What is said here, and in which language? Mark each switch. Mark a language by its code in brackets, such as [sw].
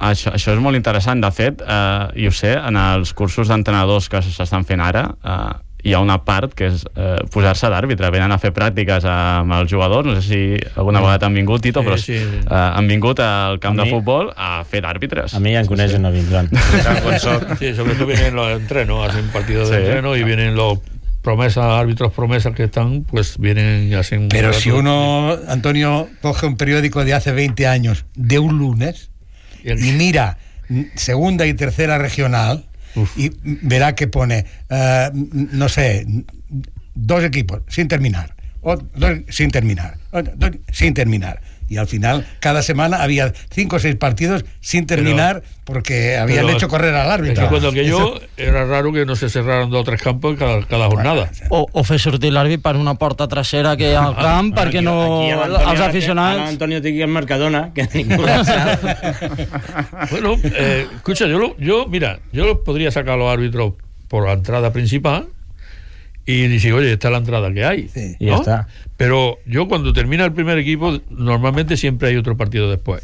[ca] Això és molt interessant. De fet, i ho sé, en els cursos d'entrenadors que s'estan fent ara... hi ha una part que és posar-se d'àrbitre, venen a fer pràctiques amb els jugadors, no sé si alguna vegada han vingut, Tito, sí, però sí, sí. Han vingut al camp de futbol a fer d'àrbitres. A mi ja en coneixen, sí, no vindran. [es] Sí, sobretot vienen los entrenos, hacen partidos, sí, d'entreno, i vienen los árbitros promesas que están, pues vienen y hacen... Pero si uno, Antonio, coge un periódico de hace 20 años, de un lunes, y mira segunda y tercera regional... Uf. Y verá que pone, no sé, dos equipos sin terminar, sin terminar. Y al final, cada semana había cinco o seis partidos sin terminar, pero, porque habían hecho correr al árbitro. Es que cuando aquello era raro que no se cerraran dos o tres campos cada jornada. [ca] O fue sortir l'àrbit per una porta trasera que hi ha al camp, perquè no... Els aficionats... Ara Antonio té aquí el Mercadona, que ningú no sap. [es] Bueno, escucha, yo podría sacar los árbitros por la entrada principal y dice, oye, esta es la entrada que hay. Sí, ¿no? Ya está. Pero yo cuando termina el primer equipo, normalmente siempre hay otro partido después.